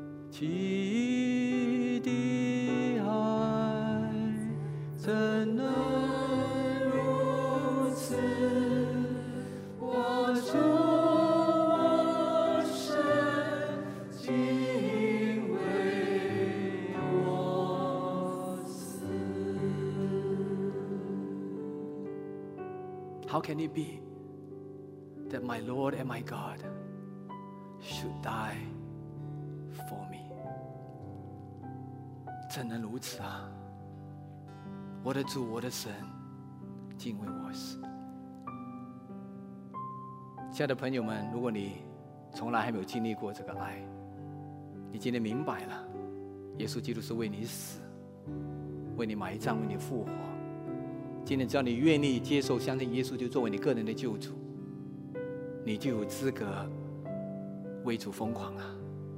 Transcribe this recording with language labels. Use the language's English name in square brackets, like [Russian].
[Chinese] 奇异的爱怎能如此，我主我神竟为我死。 [English] How can it be that my Lord and my God should die for me？ [Chinese] 怎能如此啊，我的主我的神竟为我死。亲爱的朋友们，如果你从来还没有经历过这个爱，你今天明白了，耶稣基督是为你死，为你埋葬，为你复活，今天只要你愿意接受相信耶稣就作为你个人的救主，你就有资格为主疯狂了。